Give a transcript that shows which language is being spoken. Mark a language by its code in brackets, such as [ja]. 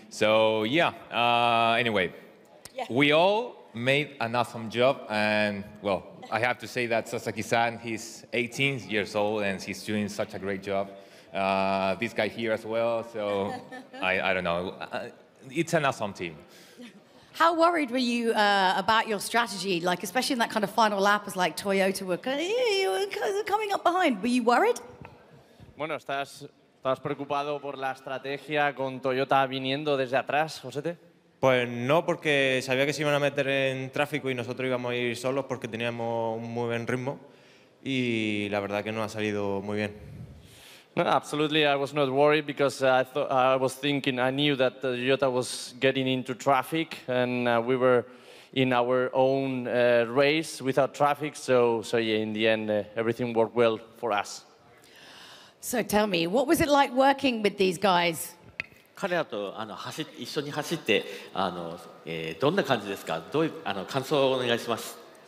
[en] So, yeah, anyway, yeah. We all made an awesome job and, well, I have to say that Sasaki-san, he's 18 years old and he's doing such a great job. This guy here as well, so I don't know. It's an awesome team. How worried were you about your strategy, like especially in that kind of final lap as like Toyota were coming up behind? Were you worried? [es] Bueno, estás preocupado por la estrategia con Toyota viniendo desde atrás, José? Pues no, porque sabía que se iban a meter en tráfico y nosotros íbamos a ir solos porque teníamos un muy buen ritmo y la verdad que no ha salido muy bien. [en] No, absolutely, I was not worried because I knew that Toyota was getting into traffic and we were in our own race without traffic, so yeah, in the end everything worked well for us. So tell me, what was it like working with these guys? [ja] 彼らと一緒に走って、どんな感じですか？どういう感想をお願いします。